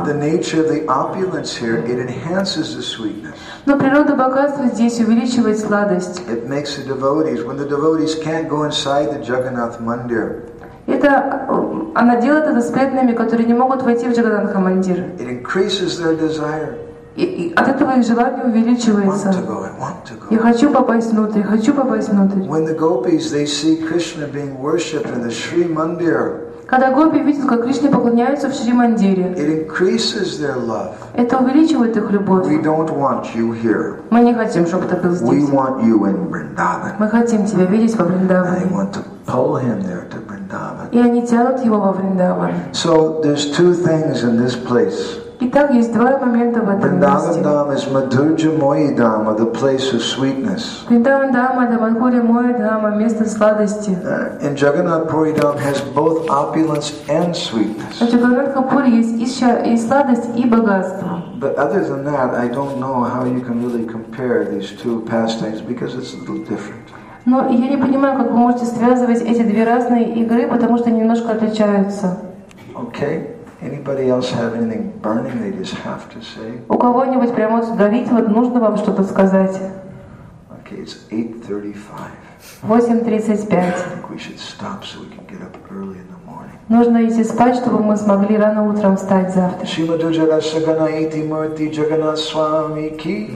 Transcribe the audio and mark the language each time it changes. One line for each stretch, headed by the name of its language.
English: But the nature of the opulence here, it enhances the sweetness.
Russian: Но природа богатства здесь увеличивает сладость.
English: It makes the devotees, when the devotees can't go inside the Jagannath Mandir,
Russian: это, она делает это с преданными, которые не могут войти в Джагананха Мандир.
English: It increases their desire.
Russian: И от этого их желание увеличивается.
English: I want to go.
Russian: Я хочу попасть внутрь,
English: When the gopis, they see Krishna being worshipped in the Shri Mandir,
Russian: когда гопи видят, как Кришне поклоняются в Шри Мандире,
English: it increases their love.
Russian: Это увеличивает их любовь.
English: We don't want you here.
Russian: Мы не хотим, чтобы ты был здесь.
English: We want you in Vrindavan.
Russian: Мы хотим тебя видеть во Вриндаване.
English: They want to pull him there to Vrindavan.
Russian: И они тянут его во Вриндаван.
English: So there's two things in this place.
Russian: Итак, есть два момента в этом
English: Vrindavan
Russian: месте.
English: Vrindavan Dham is Madhurjamoya Dham, the place of sweetness.
Russian: Vrindavan Dham – это Madhurjamoya Dham, место сладости.
English: And Jagannath Puri Dham has both opulence and sweetness.
Russian: В Jagannatha Puri есть и сладость, и богатство.
English: But other than that, I don't know how you can really compare these two pastimes because it's a little different.
Russian: Но я не понимаю, как вы можете связывать эти две разные игры, потому что они немножко отличаются.
English: Okay. Anybody else have anything burning they just have to say?
Russian: У кого-нибудь прямо сгорить, вот нужно вам что-то сказать.
English: Okay, it's 8:35.
Russian: 8:35.
English: I think we should stop so we can get up early in the morning.
Russian: Нужно идти спать, чтобы мы смогли рано утром встать завтра.
Sanskrit: Шрила Джаджара Сагана Ити Мурти Джаганат Свами Ки.